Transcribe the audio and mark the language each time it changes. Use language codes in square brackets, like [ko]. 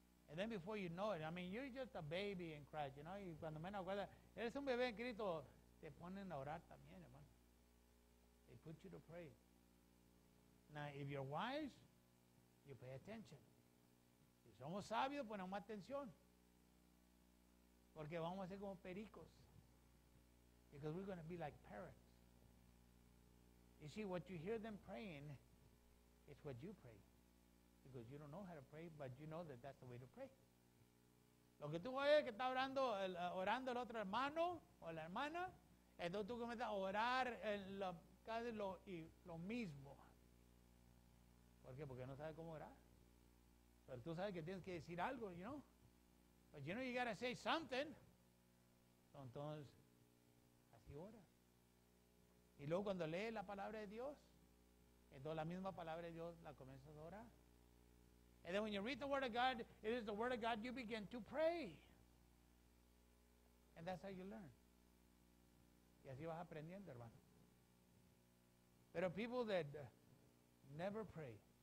[en] And then before you know it, I mean, you're just a baby in Christ, you know. [es] Y cuando menos acuerdas, eres un bebé en Cristo, te ponen a orar también, hermano. [en] They put you to pray. Now, if you're wise, you pay attention. [es] Si somos sabios, ponemos atención. Porque vamos a ser como pericos. [en] Because we're going to be like parrots. You see, what you hear them praying is what you pray. Because you don't know how to pray, but you know that that's the way to pray. [es] Lo que tú oyes que está orando el otro hermano o la hermana, entonces tú comienzas a orar casi lo mismo. ¿Por qué? Porque no sabes cómo orar. Pero tú sabes que tienes que decir algo, [en] you know. But you know you gotta say something. [es] Entonces, así ora. Y luego cuando lees la palabra de Dios, entonces la misma palabra de Dios la comienzas a orar. [en] And then when you read the word of God, it is the word of God, you begin to pray. And that's how you learn. [es] Y así vas aprendiendo, hermano. [en] There are people that never pray.